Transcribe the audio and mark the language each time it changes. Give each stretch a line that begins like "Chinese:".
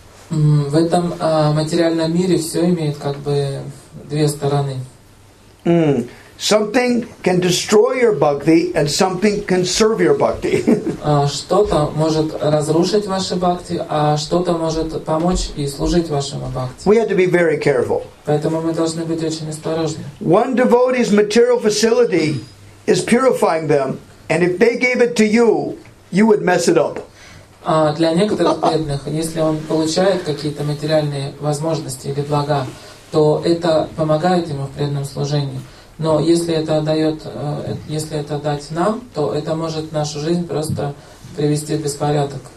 Russian: В этом материальном мире все имеет как бы две стороны.
English: Something can destroy your bhakti and something can serve your bhakti.
Russian: Что-то может разрушить ваши бхакти, а что-то может помочь и служить вашему бхакти.
English: We have to be very careful.
Russian: Поэтому мы должны быть очень осторожны.
English: One devotee's material facility is purifying them, and if they gave it to you, you would mess it up.
Russian: Для некоторых преданных, если он получает какие-то материальные возможности или блага, то это помогает ему в преданном служении. Но если это дает, если это дать нам, то это может нашу жизнь просто привести в беспорядок.